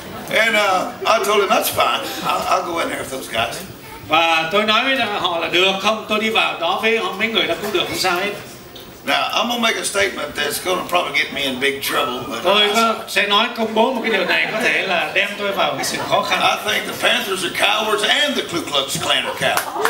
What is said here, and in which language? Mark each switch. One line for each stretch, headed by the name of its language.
English: And I told him that's fine. I'll go in there with those guys.
Vietnamese: Và tôi nói với họ là được không? Tôi đi vào đó với họ mấy người đó cũng được, không sao hết.
English: Now I'm gonna make a statement that's gonna probably get me in big trouble. But
Vietnamese: tôi sẽ nói công bố một cái điều này có thể là đem tôi vào cái sự khó khăn.
English: I think the Panthers are cowards and the Ku Klux Klan are cowards.